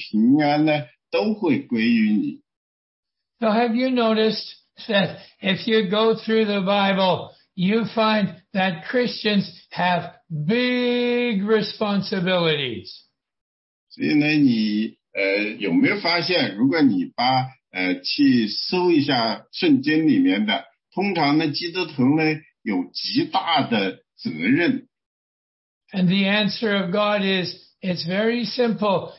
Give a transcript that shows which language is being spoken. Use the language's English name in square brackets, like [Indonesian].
[Chinese] 所以提多呢说呢，这个使徒保罗说，我都不清楚我到底够不够资格在这里传福音，在这个克里特这里。但是呢，我都不知道怎么去做，我也没有那方面的知识，我都不知道怎么去告诉别人得到永生。但是呢，使徒保罗跟提多说，在这世界的时候不是这样的，你要去做神的工的话呢，神的恩典、怜悯、平安呢，都会归于你。 [English] So have you noticed that if you go through the Bible, you find that Christians have big responsibilities? [Chinese] 所以呢，你有没有发现，如果你去搜一下圣经里面的，通常呢，基督徒呢有极大的责任。 [English] And the answer of God is, it's very simple.